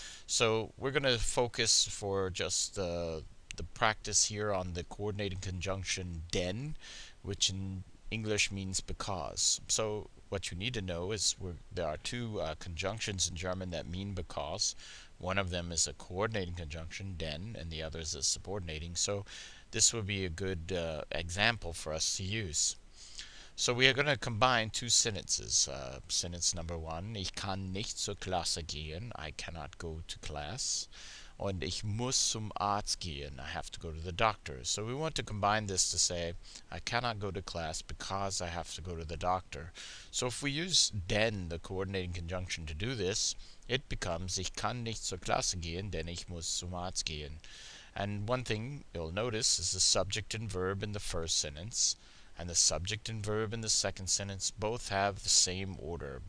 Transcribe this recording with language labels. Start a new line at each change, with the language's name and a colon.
English: So, we're going to focus for just the practice here on the coordinating conjunction den, which in English means because. So, what you need to know is there are two conjunctions in German that mean because. One of them is a coordinating conjunction, den, and the other is a subordinating. So this would be a good example for us to use. So we are going to combine two sentences. Sentence number one,
German: ich kann nicht zur Klasse gehen,
English: I cannot go to class.
German: Und ich muss zum Arzt gehen,
English: I have to go to the doctor. So we want to combine this to say, I cannot go to class because I have to go to the doctor. So if we use den, the coordinating conjunction, to do this, it becomes,
German: ich kann nicht zur Klasse gehen, denn ich muss zum Arzt gehen.
English: And one thing you'll notice is the subject and verb in the first sentence, and the subject and verb in the second sentence both have the same order.